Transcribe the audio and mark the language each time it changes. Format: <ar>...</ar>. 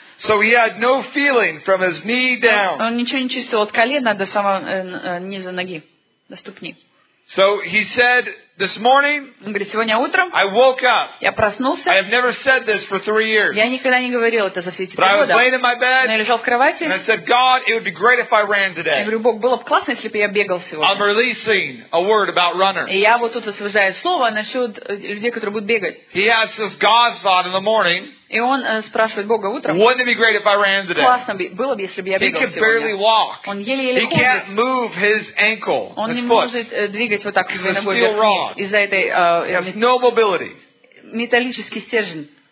<en>So he had no feeling from his knee down.</en> <ru>Он ничего не чувствовал от колена до самого низа ноги, до ступни.</ru> <en>So he said, this morning,</en> <ru>говорит, сегодня утром,</ru> <en>I woke up.</en> <ru>Я проснулся.</ru> <en>I have never said this for 3 years.</en> <ru>Я никогда не говорил это за все эти три года.</ru> <en>But I was laying in my bed.</en> <ru>Но я лежал в кровати.</ru> <en>And I said, God, it would be great if I ran today.</en> <ru>Я говорю, Бог, было бы классно, если бы я бегал сегодня.</ru> <en>I'm releasing a word about runners.</en> <ru>И я вот тут освежаю слово насчет людей, которые будут бегать.</ru> <en>He asked this God thought in the morning.</en> <ru>И он спрашивает Бога утром.</ru> <en>Wouldn't it be great if I ran today?</en> <ru>Классно было бы, если бы я бегал сегодня.</ru> <en>He could barely walk.</en> <ru>Он еле-еле ходит.</ru> <en>He can't move his ankle.</en> <ru>Он не может двигать вот так своей ногой. Из-за этой</ru> <en>He has no mobility.</en> <ru>металлический стержень.</ru>